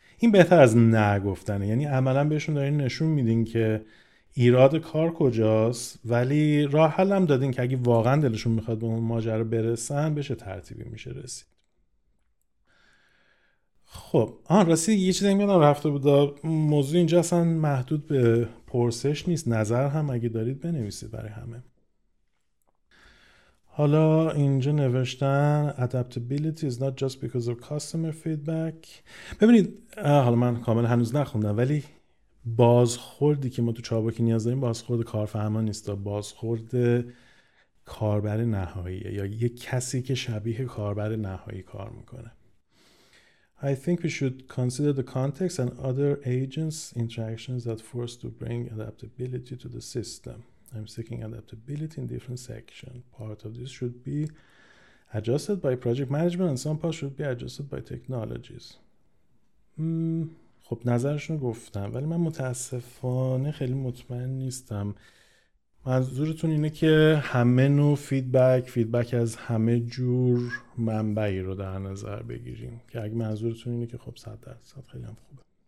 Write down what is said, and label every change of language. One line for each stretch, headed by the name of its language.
Persian: این بهتر از نه گفتنه، یعنی عملا بهشون دارین نشون میدین که ایراد کار کجاست، ولی راه حل هم دادین که اگه واقعا دلشون میخواد به اون ماجرا برسن بشه ترتیبی میشه رسید. خب آن راستی یه چیزی میگم رفته بود، موضوع اینجا اصلا محدود به پرسش نیست، نظر هم اگه دارید بنویسید برای همه. حالا اینجا نوشتن
English: adaptability is not just because of customer feedback.
Persian: ببینید حالا من کامل هنوز نخوندم، ولی بازخوردی که ما تو چابکی نیاز داریم بازخورد کارفرما نیست، بازخورد کاربر نهاییه، یا یه کسی که شبیه کاربر نهایی کار میکنه.
English: I think we should consider the context and other agents interactions that force to bring adaptability to the system. I'm seeking adaptability in different section. Part of this should be adjusted by project management and some part should be adjusted by technologies.
Persian: خب نظرشون گفتم، ولی من متاسفانه خیلی مطمئن نیستم. منظورتون اینه که همه نوع فیدبک از همه جور منبعی رو در نظر بگیریم، که اگه منظورتون اینه که خب 100% خیلی هم خوبه.